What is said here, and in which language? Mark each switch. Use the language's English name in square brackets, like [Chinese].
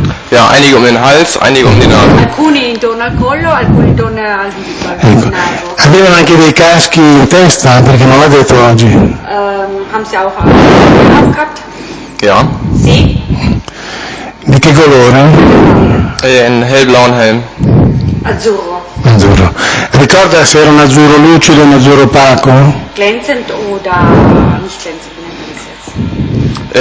[German] Ja, einige den Hals, einige den Naso. [Italian] Alcuni intorno al collo, alcuni intorno al viso. Avevano anche dei caschi in testa, perché non l'ha detto oggi. [German] Haben sie auch einen Kopf gehabt? Ja. [Italian] Sì. Di che colore? [German] Un hellblauen Helm. [Italian] Azzurro. Azzurro. Ricorda se era un azzurro lucido o un azzurro opaco? [German] Glänzend oder nicht glänzend, wie